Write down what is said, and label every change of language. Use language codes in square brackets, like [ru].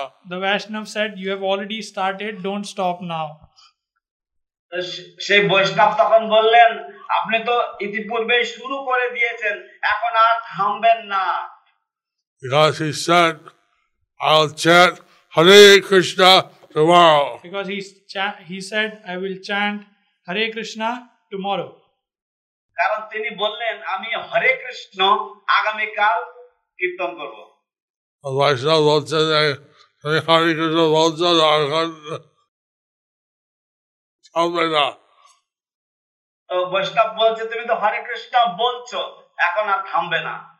[en] The Vaishnava said, "You have already started. Don't stop now." [bn] সেই বৈষ্ণব তখন বললেন, "আপনি তো ইতিপূর্বে শুরু করে দিয়েছেন, এখন আর থামবেন না." [en] Because he said, "I'll chant Hare Krishna tomorrow." Because he said, "I will chant Hare Krishna tomorrow." [bn] কারণ তিনি বললেন আমি হরে কৃষ্ণ আগামীকাল কীর্তন করবো। হরে কৃষ্ণ, বৈষ্ণব বলছে তুমি তো হরে কৃষ্ণ বলছো, এখন আর থামবে না।